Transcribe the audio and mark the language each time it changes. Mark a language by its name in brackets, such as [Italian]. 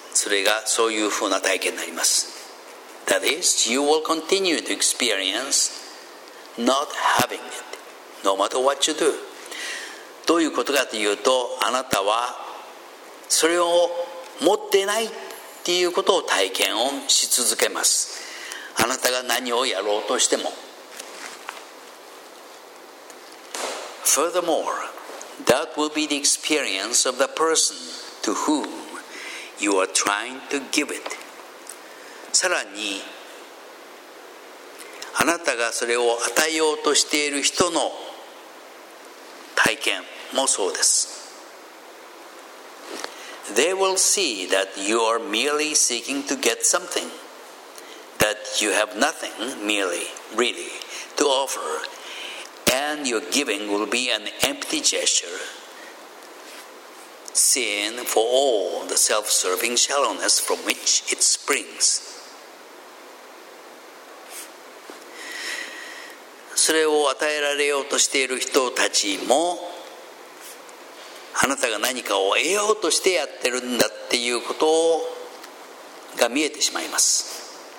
[Japanese] それがそういうふうな体験になります。 [English] That is, you will continue to experience not having it, no matter what you do. [Japanese] どういうことかというと、あなたはそれを持っていないっていうことを体験をし続けます。あなたが何をやろうとしても。 [English] Furthermore,That will be the experience of the person to whom you are trying to give it. [Japanese] さらに、あなたがそれを与えようとしている人の体験もそうです。 [English] They will see that you are merely seeking to get something, that you have nothing merely, really, to offer. And your giving will be an empty gesture, seen for all the self-serving shallowness from which it springs. [Japanese] それを与えられようとしている人たちも、あなたが何かを得ようとしてやってるんだっていうことが見えてしまいます。